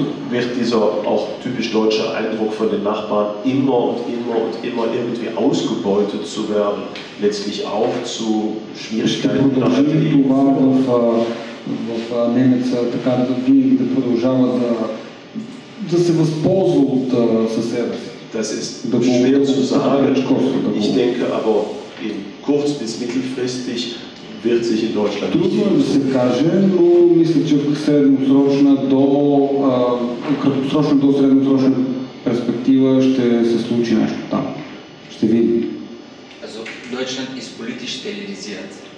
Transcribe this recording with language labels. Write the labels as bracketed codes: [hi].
[de] Wird dieser auch typisch deutsche Eindruck von den Nachbarn, immer und immer und immer irgendwie ausgebeutet zu werden, letztlich auch zu Schwierigkeiten nach dem Leben führen? [bg] В Немеца така да винаги да продължава да се възползва от съседа си. [de] Das ist schwer zu sagen. Ich denke aber in kurz bis mittelfristig wird sich in Deutschland. [bg] Трудно да се каже, но мисля, че в средносрочна до краткосрочна до средносрочна перспектива ще се случи нещо там. Ще видим. [de] Also Deutschland ist politisch sterilisiert.